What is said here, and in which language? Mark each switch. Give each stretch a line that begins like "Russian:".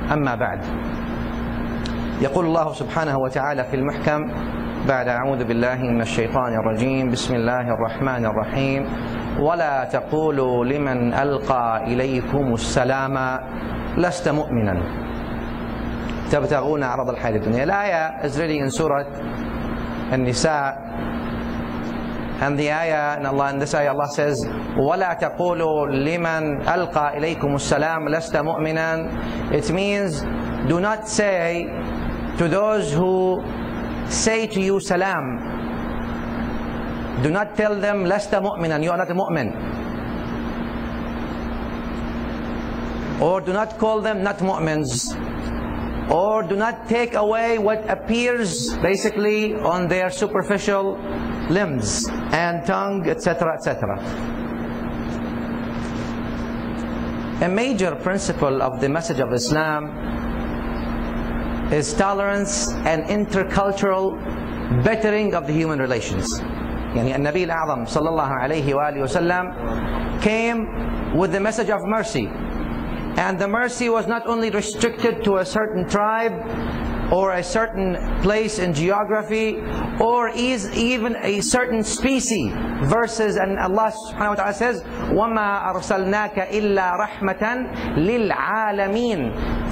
Arabic: أما بعد، يقول الله سبحانه وتعالى في المحكم بعد أعوذ بالله من الشيطان الرجيم، بسم الله الرحمن الرحيم: ولا تقولوا لمن ألقى إليكم السلام لست مؤمنا تبتغون عرض الحياة الدنيا. الآية أزرلي إن سورة النساء
English: and the ayah in Allah, in this ayah Allah says
Arabic: وَلَا تَقُولُوا لِمَنْ أَلْقَى إِلَيْكُمُ السَّلَامُ لَسْتَ مُؤْمِنًا.
English: It means do not say to those who say to you salam, do not tell them
Arabic: لَسْتَ مُؤْمِنًا,
English: you are not a mu'min, or do not call them not mu'mins, or do not take away what appears basically on their superficial limbs and tongue, etc., etc. A major principle of the message of Islam is tolerance and intercultural bettering of the human relations.
Arabic: يعني النبي الأعظم صلى الله عليه وآله وسلم
English: came with the message of mercy. And the mercy was not only restricted to a certain tribe or a certain place in geography or is even a certain species. Verses, and Allah subhanahu wa ta'ala says
Arabic: وَمَا أَرْسَلْنَاكَ إِلَّا رَحْمَةً لِلْعَالَمِينَ.